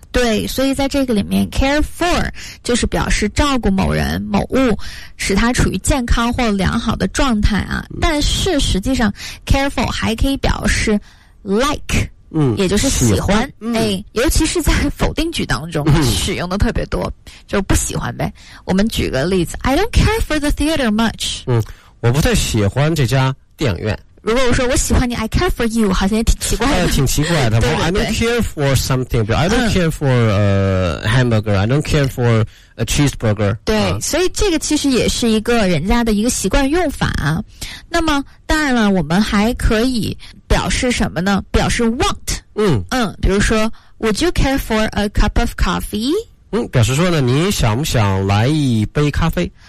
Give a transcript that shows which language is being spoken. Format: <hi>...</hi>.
<zh>对，所以在这个里面</zh> <en>care for</en> <zh>就是表示照顾某人某物，使他处于健康或良好的状态啊。但是实际上 careful 还可以表示 like, 嗯，也就是喜欢、嗯、哎，尤其是在否定句当中、嗯、使用的特别多，就不喜欢呗。我们举个例子，</zh> <en>I don't care for the theater much,</en> <zh>嗯，我不太喜欢这家电影院。如果我说我喜欢你 ，</zh> <en>I care for you,</en> <zh>好像也挺奇怪的。挺奇怪的。对对对。</zh> <en>I don't care for something, but I don't care for a hamburger. I don't care for a cheeseburger.</en> <zh>对、所以这个其实也是一个人家的一个习惯用法啊。那么当然了，我们还可以表示什么呢？表示 want。嗯嗯，比如说</zh> <en>，Would you care for a cup of coffee？</en> <zh>嗯，表示说呢，你想不想来一杯咖啡？</zh>